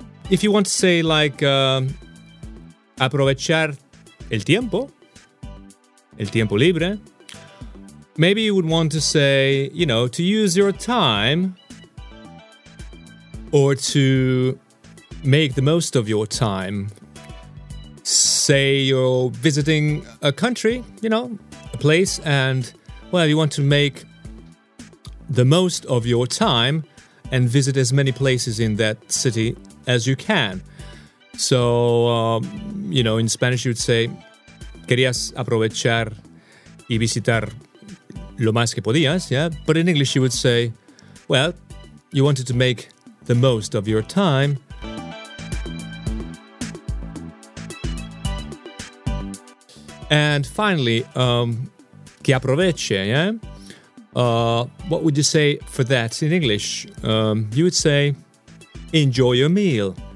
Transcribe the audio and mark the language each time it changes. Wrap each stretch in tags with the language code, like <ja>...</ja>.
<en>If you want to say</en> <es>aprovechar el tiempo libre,</es> <en>maybe you would want to say, to use your time or to make the most of your time. Say you're visiting a country, a place, and, you want to make the most of your time and visit as many places in that city as you can. So, in Spanish you'd say,</en> <es>querías aprovechar y visitar lo más que podías,</es> <en>yeah? But in English you would say, you wanted to make the most of your time. And finally,</en> <es>que aproveche,</es> <en>yeah? What would you say for that in English? You would say, enjoy your meal.</en>